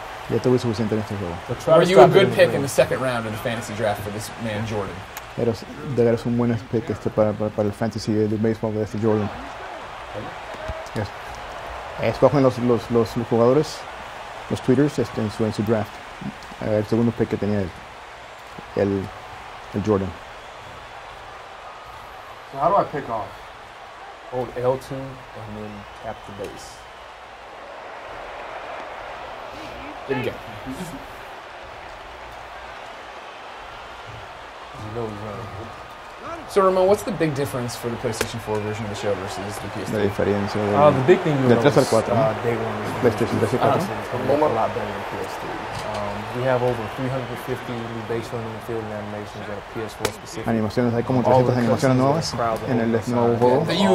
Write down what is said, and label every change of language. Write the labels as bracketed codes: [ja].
[en] Were you a good pick in the second round of the fantasy draft for this man, Jordan? [es] Eres un buen pick para el fantasy de baseball de este Jordan. [en] Yes. [es] Escogen los jugadores, los tweeters, en su draft. El segundo pick que tenía el Jordan. [en] So how do I pick off? Hold L2 and then tap the base. There you go. So Ramon, what's the big difference for the PlayStation 4 version of the show versus the PS3? [es] La diferencia. [en] The big thing you notice, day one, PlayStation 4, a lot better than PS3. We have over 350 new base running and fielding animations that are PS4 specific. [es] Animaciones, hay como 300 animaciones nuevas en el nuevo juego.